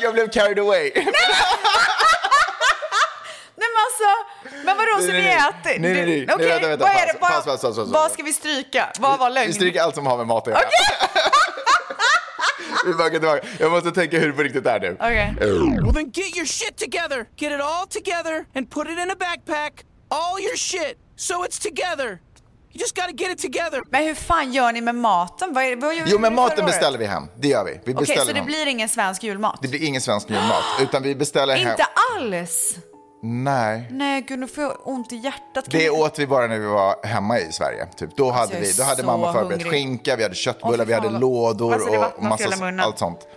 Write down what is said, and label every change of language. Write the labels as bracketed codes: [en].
[sv] Jag blev [en] carried away. [sv] Nej, men alltså, men vadå, så ni äter? Nej, vänta, vad ska vi stryka? Vad var lögn? Vi stryker allt som har med mat att göra. Okej. Jag måste tänka hur riktigt det är nu. Okej. [en] Well then get your shit together. Get it all together and put it in a backpack. All your shit. So it's together. You just gotta get it together. [sv] Men hur fan gör ni med maten? Jo, med maten beställer vi hem. Det gör vi. Okej, så det blir ingen svensk julmat? Det blir ingen svensk julmat. Utan vi beställer hem. Inte alls? Nej. Nej, gud, nu får jag ont i hjärtat. Det åt vi bara när vi var hemma i Sverige. Typ. Då hade vi, då hade mamma förberett skinka, vi hade köttbullar, vi hade lådor och allt sånt.